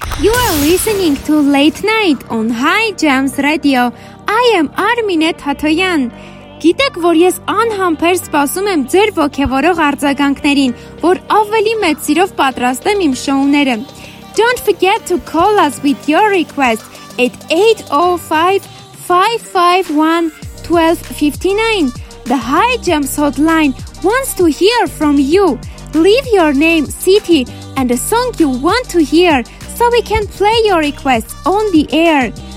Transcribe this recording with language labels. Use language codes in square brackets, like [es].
[en] You are listening to Late Night on High Jams Radio. I am Armine Tatoyan. [hy] Գիտեք, որ ես անհամբեր սպասում եմ ձեր ոգևորող արձագանքներին, որ ավելի մեծ սիրով պատրաստեմ իմ շոուները. [en] Don't forget to call us with your request at 805-551-1259. The High Jams hotline wants to hear from you. Leave your name, city, and a song you want to hear so we can play your request on the air.